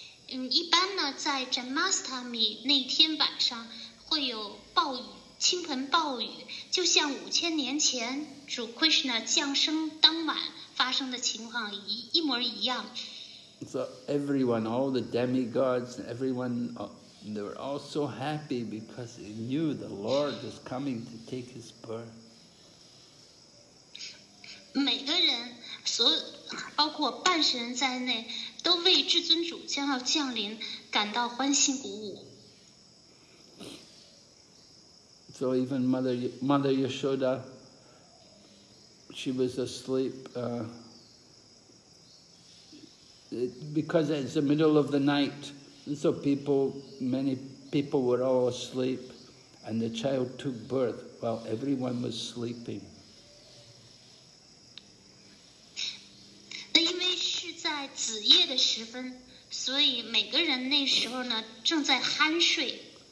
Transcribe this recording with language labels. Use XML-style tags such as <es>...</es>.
<zh>一般呢，在 Janmashtami 那天晚上会有暴雨，倾盆暴雨，就像五千年前主 Krishna 降生当晚发生的情况一模一样。</zh> <en>So everyone, all the demigods, everyone, they were all so happy because they knew the Lord was coming to take his birth.</en> <zh>每个人，所包括半神在内，都为至尊主将要降临感到欢欣鼓舞。</zh> <en>So even Mother Yashoda, she was asleep. Because it's the middle of the night, and so many people were all asleep, and the child took birth while everyone was sleeping.</en> <zh>那因为是在子夜的时分，所以每个人那时候呢正在酣睡。</zh>